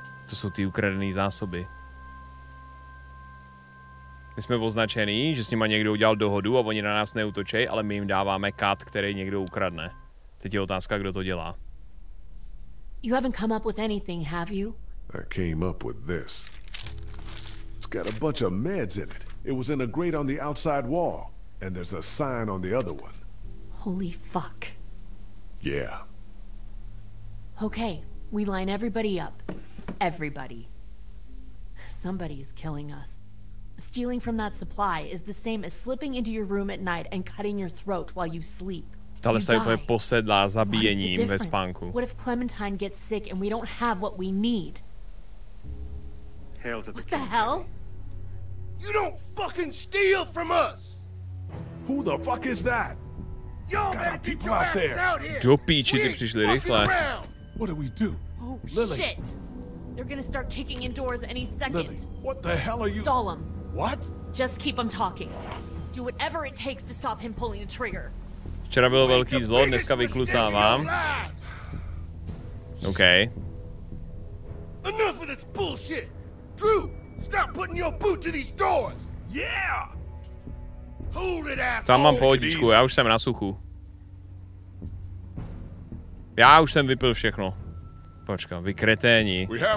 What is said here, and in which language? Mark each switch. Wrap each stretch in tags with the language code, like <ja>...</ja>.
<cs>To jsou ty ukradené zásoby. My jsme označený, že s nima někdo udělal dohodu a oni na nás neutočej, ale my jim dáváme kat, který někdo ukradne. Teď je otázka, kdo to dělá.</cs> <en>You haven't come up with anything, have you? I came up with this. It's got a bunch of meds in it. It was in a grate on the outside wall and there's a sign on the other one. Holy fuck. Yeah. Okay, we line everybody up. Everybody. Somebody is killing us. Stealing from that supply is the same as slipping into your room at night and cutting your throat while you sleep.</en> <cs>Tahle stavě je posedlá zabíjením ve spánku.</cs> <en>What if Clementine gets sick and we don't have what we need? Hail to the king. What the hell? You don't fucking steal from us! Who the fuck is that? Yo, man, people out there!</en> <cs>Do píči, ty přišli rychle.</cs> <en>What do we do? Oh, Lily. Shit! They're gonna start kicking indoors any second. Lily, what the hell are you- Stall him. What? Just keep him talking. Do whatever it takes to stop him pulling the trigger.</en> <cs>Včera bylo velký zlo, dneska vyklusávám.</cs> <en>Okay. Enough of this bullshit! Drew, stop putting your boot to these doors! Yeah!</en> <cs>Tam mám pohodičku, já už jsem na suchu. Já už jsem vypil všechno. Počkám, vy kreténi.</cs>